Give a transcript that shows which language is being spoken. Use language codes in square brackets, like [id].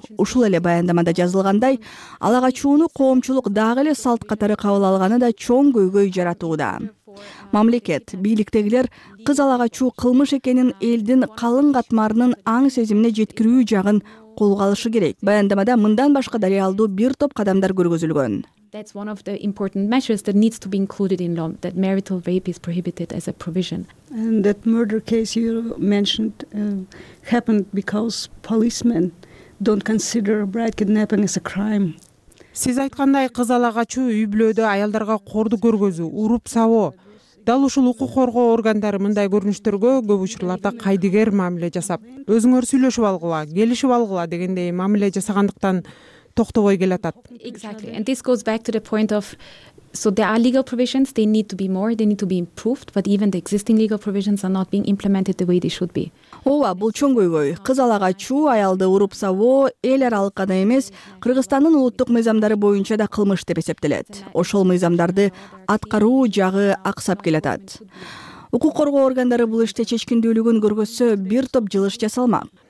[ky] Ушул эле баяндамада жазылгандай, ала качууну коомчулук дагы эле салт катары кабыл алганы да чоң көйгөй жаратууда. Мамлекет, бийликтегилер кыз ала качуу кылмыш экенин элдин калың катмарынын аң сезимине жеткирүү жагын колго алышы керек. Баяндамада мындан башка да реалдуу бир топ кадамдар көргөзүлгөн. [en] That's one of the important measures that needs to be included in law, that marital rape is prohibited as a provision. And that murder case you mentioned happened because policemen don't consider a bride kidnapping as a crime. [ky] Сиз айткандай, кыз ала качуу үй-бүлөдө аялдарга корду көргөзүү, уруп сабоо. Дал ушул укук коргоо органдары мындай көрүнүштөргө көп учурларда кайдыгер мамиле жасап, өзүңөр сүйлөшүп алгыла, келишип алгыла дегендей мамиле жасагандыктан токтобой келатат. [en] Exactly. And this goes back to the point of so there are legal provisions, they need to be more, they need to be improved, but even the existing legal provisions are not being implemented the way they should be. [ky] Ооба, бул чоң көйгөй. Кыз ала качуу аялды уруп сабоо эл аралык гана эмес, Кыргызстандын улуттук мыйзамдары боюнча да кылмыш деп эсептелет. Ошол мыйзамдарды аткаруу жагы аксап келатат. Укук коргоо органдары бул иште чечкиндүүлүгүн көргөзсө, бир топ жылыш жасалмак.